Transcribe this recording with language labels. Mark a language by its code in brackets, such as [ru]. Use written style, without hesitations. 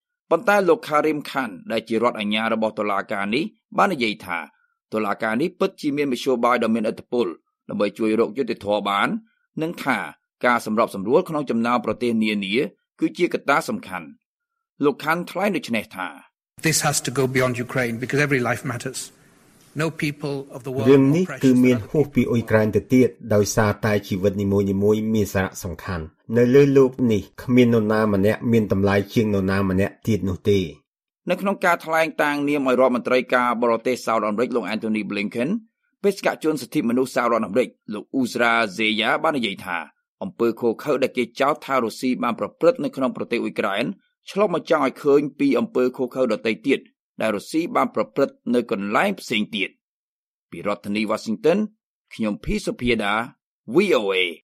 [km] ប៉ុន្តែលោកខារីមខាន់ដែលជារដ្ឋអាជ្ញារបស់តុលាការនេះបាននិយាយថាតុលាការនេះពិតជាមានមធ្យោបាយដ៏មានឥទ្ធិពលដើម្បីជួយរកយុត្តិធម៌បាននិងថាការសម្របសម្រួលក្នុងចំណោមប្រទេសនានាគឺជាកត្តាសំខាន់លោកខាន់ថ្លែងដូច្នេះថា [en] This has to go beyond Ukraine because every life matters. No people of the world [km] រឿងនេះគឺមានហួសពីអ៊ុយក្រែនទៅទៀតដោយសារតែជីវិតនីមួយៗមានសារៈសំខាន់នៅលើលោកនេះគ្មាននរណាម្នាក់មានតម្លៃជាងនរណាម្នាក់ទៀតនោះទេ នៅក្នុងការថ្លែងតាងនាមឲ្យរដ្ឋមន្ត្រីការបរទេសសហរដ្ឋអាមេរិកលោក Anthony Blinken បេសកជនសិទ្ធិមនុស្សសហរដ្ឋអាមេរិកលោក Ezra Zeyah បាននិយាយថាអំពើឃោរឃៅដែលគេចោទថារុស្ស៊ីបានប្រព្រឹត្តនៅក្នុងប្រទេសអ៊ុយក្រែនឆ្លុះបញ្ចាំងឲ្យឃើញពីអំពើឃោរឃៅដទៃទៀតដែលរុស្ស៊ីបានប្រព្រឹត្តនៅកន្លែងផ្សេងទៀតពីរដ្ឋធានី Washington ខ្ញុំភីសុភាដា VOA